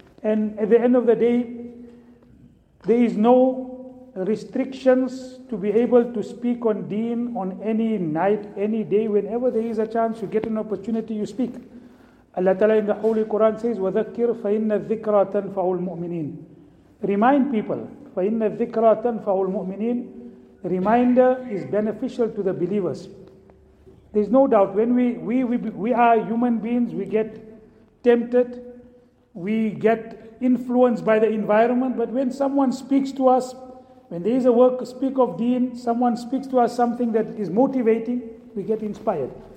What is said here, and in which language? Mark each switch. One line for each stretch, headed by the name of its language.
English: And at the end of the day, there is no restrictions to be able to speak on deen on any night, any day, whenever there is a chance, you get an opportunity, you speak. Allah Ta'ala in the Holy Quran says,
Arabic: وَذَكِّرْ فَإِنَّ الذِّكْرَى تَنْفَعُ الْمُؤْمِنِينَ.
English: Remind people,
Arabic: فَإِنَّ الذِّكْرَى تَنْفَعُ الْمُؤْمِنِينَ.
English: Reminder is beneficial to the believers. There's no doubt, when we are human beings, we get tempted, we get influenced by the environment, but when someone speaks to us, when there is a work, speak of deen, someone speaks to us something that is motivating, we get inspired.